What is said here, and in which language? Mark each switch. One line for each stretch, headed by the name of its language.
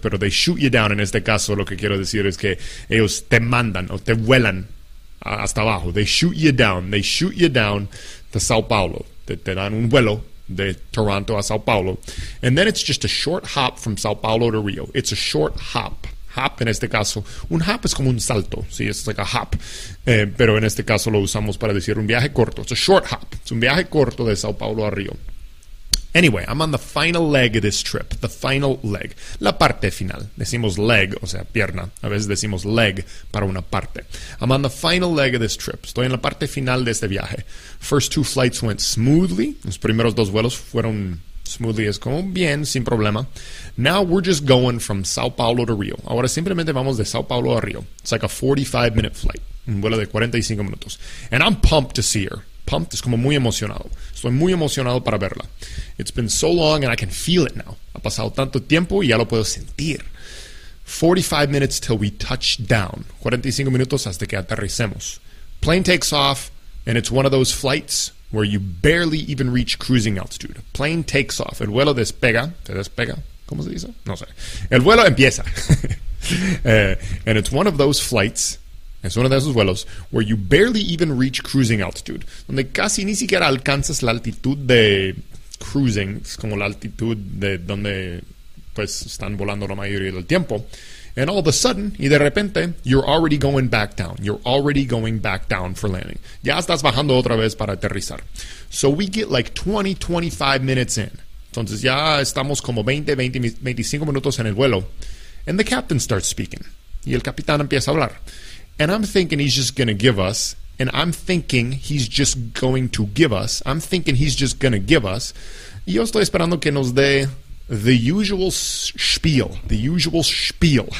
Spanish: Pero
English: they shoot you down,
Spanish: en este caso lo que quiero decir es que ellos te mandan o te vuelan hasta abajo,
English: they shoot you down to Sao Paulo,
Spanish: te dan un vuelo de Toronto a Sao Paulo,
English: and then it's just a short hop from Sao Paulo to Rio, it's a short hop.
Spanish: hop en este caso. Un hop es como un salto, ¿sí?
English: It's like a hop.
Spanish: Pero en este caso lo usamos para decir un viaje corto.
English: It's a short hop.
Spanish: Es un viaje corto de Sao Paulo a Río.
English: Anyway, I'm on the final leg of this trip.
Spanish: The final leg. La parte final. Decimos leg, o sea, pierna. A veces decimos leg para una parte.
English: I'm on the final leg of this trip.
Spanish: Estoy en la parte final de este viaje.
English: First two flights went smoothly.
Spanish: Los primeros dos vuelos fueron smoothly. Es como bien, sin problema.
English: Now we're just going from Sao Paulo to Rio.
Spanish: Ahora simplemente vamos de Sao Paulo a Rio.
English: It's like a 45-minute flight.
Spanish: Un vuelo de 45 minutos.
English: And I'm pumped to see her.
Spanish: Pumped es como muy emocionado. Estoy muy emocionado para verla.
English: It's been so long and I can feel it now.
Spanish: Ha pasado tanto tiempo y ya lo puedo sentir.
English: 45 minutes till we touch down.
Spanish: 45 minutos hasta que aterricemos.
English: Plane takes off and it's one of those flights where you barely even reach cruising altitude. Plane takes off.
Spanish: El vuelo despega. ¿Te despega? ¿Cómo se dice? No sé. El vuelo empieza.
English: and it's one of those flights...
Spanish: Es uno de esos vuelos
English: where you barely even reach cruising altitude.
Spanish: Donde casi ni siquiera alcanzas la altitud de cruising. Es como la altitud de donde pues están volando la mayoría del tiempo.
English: And all of a sudden,
Spanish: y de repente,
English: you're already going back down. You're already going back down for landing.
Spanish: Ya estás bajando otra vez para aterrizar.
English: So we get like 20, 25 minutes in.
Spanish: Entonces ya estamos como 20, 25 minutos en el vuelo.
English: And the captain starts speaking.
Spanish: Y el capitán empieza a hablar.
English: And I'm thinking he's just going to give us, and I'm thinking he's just going to give us, I'm thinking he's just going to give us,
Spanish: y yo estoy esperando que nos dé
English: the usual spiel, the usual spiel.